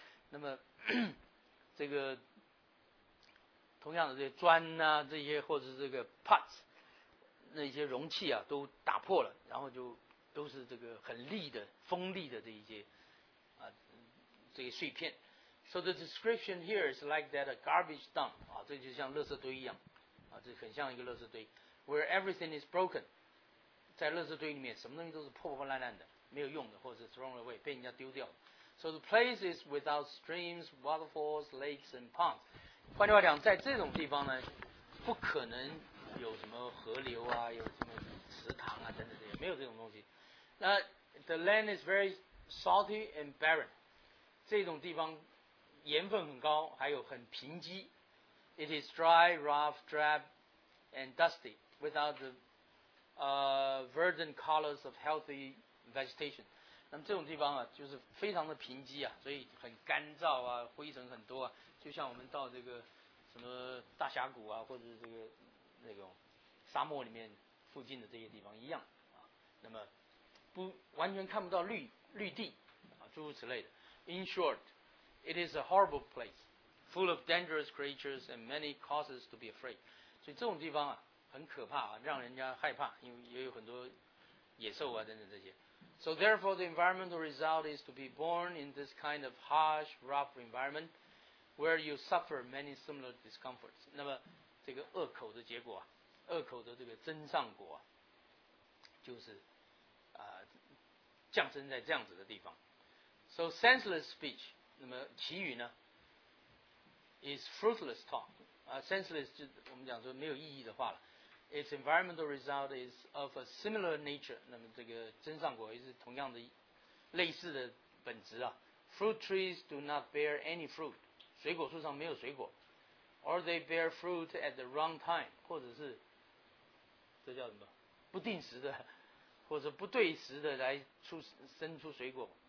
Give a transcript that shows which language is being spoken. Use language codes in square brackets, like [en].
[zh] 那么这个同样的这些砖啊，这些或者是这个 pots 那些容器啊，都打破了，然后就都是这个很利的、锋利的这一些啊这些碎片。 [en] So the description here is like that a garbage dump. [zh] 啊，这就像垃圾堆一样啊，这很像一个垃圾堆。 [en] Where everything is broken. [zh] 在垃圾堆里面，什么东西都是破破烂烂的。没有用的，或者是 [en] thrown away， [zh] 被人家丢掉。 [en] So the place is without streams, waterfalls, lakes, and ponds. [zh] 换句话讲，在这种地方呢，不可能有什么河流啊，有什么池塘啊等等这些，没有这种东西。 [en] 那 the land is very salty and barren. [zh] 这种地方盐分很高，还有很贫瘠。 [en] It is dry, rough, drab, and dusty, without the verdant colors of healthy vegetation. [zh] 那么这种地方啊，就是非常的贫瘠啊，所以很干燥啊，灰尘很多啊，就像我们到这个什么大峡谷啊，或者是这个那种沙漠里面附近的这些地方一样啊。那么不完全看不到绿地啊，诸如此类的。 [en] In short, it is a horrible place, full of dangerous creatures and many causes to be afraid. [zh] 所以这种地方啊，很可怕啊，让人家害怕，因为也有很多野兽啊等等这些。 [en] So therefore, the environmental result is to be born in this kind of harsh, rough environment where you suffer many similar discomforts. [zh] 那么这个恶口的结果啊，恶口的这个真善果啊，就是降生在这样子的地方。 [en] So senseless speech, [zh] 那么其余呢 [en] is fruitless talk. [zh] Senseless 就我们讲说没有意义的话了。 [en] Its environmental result is of a similar nature. [zh] 那么这个真善果也是同样的类似的本质啊。 [en] Fruit trees do not bear any fruit. [zh] 水果树上没有水果。 [en] Or they bear fruit at the wrong time. [zh] 或者是这叫什么不定时的或者不对时的来生出水果。